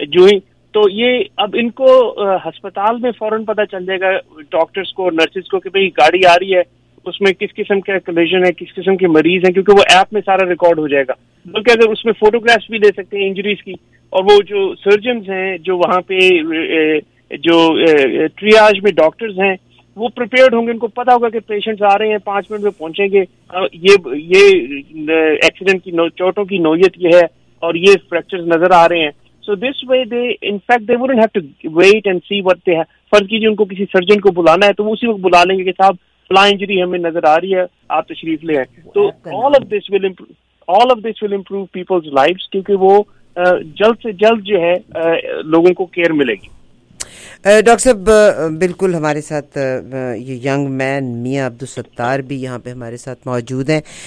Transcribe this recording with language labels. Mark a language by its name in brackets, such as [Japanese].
[Urdu] جو ہی تو یہ اب ان کو ہسپتال میں فوراً پتہ چل جائے گا ڈاکٹرز کو نرسز کو کہ بھئی گاڑی آ رہی ہے اس میں کس قسم کا کلیشن ہے کس قسم کے مریض ہیں, کیونکہ وہ ایپ میں سارا ریکارڈ ہو جائے گا, بلکہ اگر اس میں فوٹوگرافس بھی لے سکتے ہیں انجریز کی, اور وہ جو سرجنز ہیں جو وہاں پہ جو ٹریاج میں ڈاکٹرز ہیں وہ پریپیئرڈ ہوں گے, ان کو پتا ہوگا کہ پیشنٹس آ رہے ہیں پانچ منٹ میں پہنچیں گے, یہ ایکسیڈنٹ کی چوٹوں کی نوعیت یہ ہے اور یہ فریکچرز نظر آ رہے ہیں. [English] So this way they wouldn't have to wait and see what they have. [Urdu] فرض کیجیے ان کو کسی سرجن کو بلانا ہے تو وہ اسی وقت بلا لیں گے کہ صاحب فلاں انجری ہمیں نظر آ رہی ہے آپ تشریف لے آئیں. تو [English] all of this will improve people's lives [Urdu] کیونکہ وہ جلد سے جلد جو ہے لوگوں کو کیئر ملے گی. ڈاکٹر صاحب بالکل ہمارے ساتھ یہ ینگ مین میاں عبدالستار بھی یہاں پہ ہمارے ساتھ موجود ہیں.